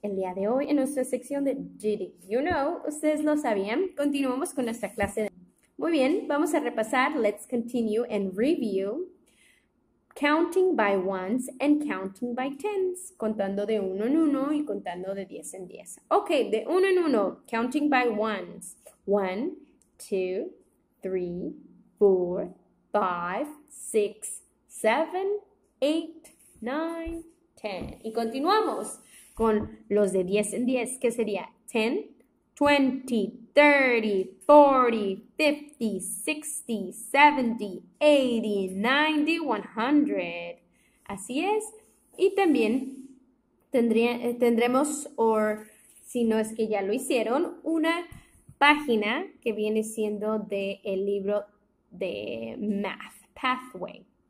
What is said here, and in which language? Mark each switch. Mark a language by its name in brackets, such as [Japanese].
[Spanish] El día de hoy, en nuestra sección de Did You Know, ustedes lo sabían, continuamos con nuestra clase. Muy bien, vamos a repasar. [English] Let's continue and review counting by ones and counting by tens. [Spanish] Contando de uno en uno y contando de diez en diez. Ok, de uno en uno, [English] counting by ones. One, two, three, four, five, six, seven, eight, 9, 10. [Spanish] Y continuamos con los de 10 en 10, que sería 10, 20, 30, 40, 50, 60, 70, 80, 90, 100. Así es. Y también tendremos, o si no es que ya lo hicieron, una página que viene siendo de el libro de Math, Pathway.